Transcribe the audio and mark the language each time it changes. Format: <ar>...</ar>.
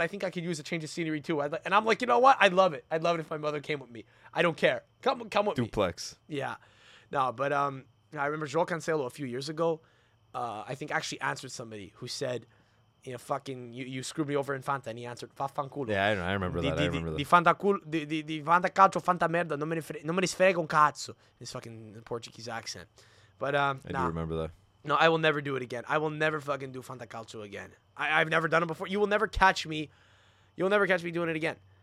<en>I think I could use a change of scenery too. And I'm like, you know what? I'd love it. I'd love it if my mother came with me. I don't care. Come with Duplex. Me. Duplex. Yeah. No, but I remember Joel Cancelo a few years ago, I think actually answered somebody who said, you know, fucking, you screwed me over in Fanta.</en> <it>And he answered, Vaffanculo.</it> <en>Yeah, I remember that.</en> <it>Di Fanta culo, di Fanta calcio, Fanta merda, non me ne frega un cazzo.</it> <en>His fucking Portuguese accent. But, I do remember that. No, I will never do it again. I will never fucking do Fanta calcio again. I've never done it before. You will never catch me. You'll never catch me doing it again.</en>